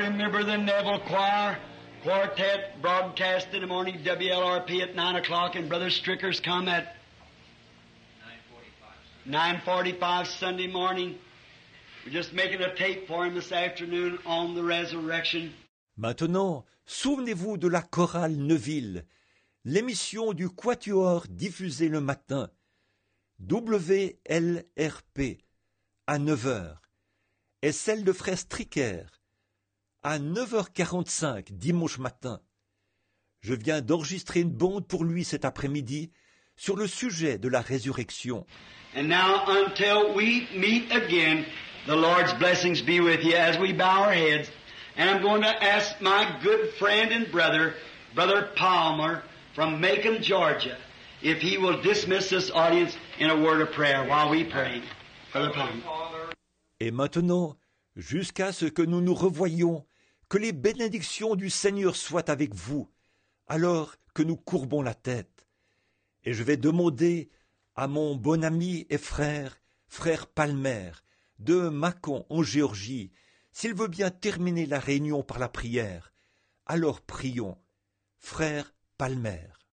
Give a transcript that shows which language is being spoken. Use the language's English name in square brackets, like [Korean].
[English] Remember the Neville Choir Quartet broadcast in the morning, WLRP at 9 o'clock, and Brother Stricker's come at 9:45 Sunday morning. We're just making a tape for him this afternoon on the resurrection. [French] Maintenant, souvenez-vous de la chorale Neville, l'émission du Quatuor diffusée le matin, WLRP, à 9h, et celle de Frère Stricker, à 9h45, dimanche matin. Je viens d'enregistrer une bande pour lui cet après-midi sur le sujet de la résurrection. [English] And now, until we meet again, the Lord's blessings be with you as we bow our heads. And I'm going to ask my good friend and brother, Brother Palmer from Macon, Georgia, if he will dismiss this audience in a word of prayer while we pray. Brother Palmer. [French] Et maintenant, jusqu'à ce que nous nous revoyions, que les bénédictions du Seigneur soient avec vous, alors que nous courbons la tête. Et je vais demander à mon bon ami et frère, frère Palmer, de Macon, en Géorgie, s'il veut bien terminer la réunion par la prière. Alors prions, frère Palmer.